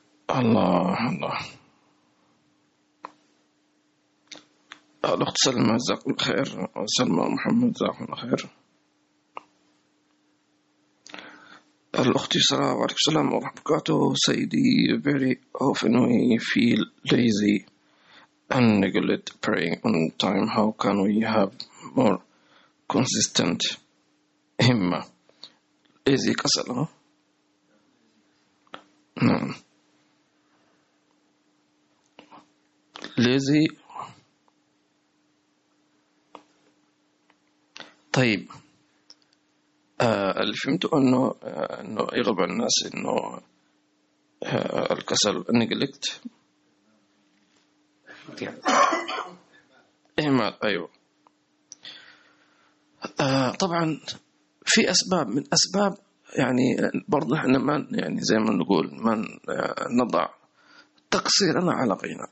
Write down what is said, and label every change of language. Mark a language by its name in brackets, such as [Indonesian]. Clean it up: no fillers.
[Arabic] الله الله. الأخت سلمى جزاك الله خير، سلمى محمد جزاك الله خير، الأخت يسرى وعليكم السلام ورحمة الله وبركاته. [English] سيدي very often we feel lazy and neglect praying on time. How can we have more consistent همة؟ lazy [Arabic] كسل ها؟ نعم [English] lazy. [Arabic] طيب فهمت انه يغلب الناس انه الكسل نيجلكت اهمال. ايوه طبعا في اسباب، من اسباب يعني برضه احنا ما يعني زي ما نقول ما نضع تقصيرنا على غيرنا.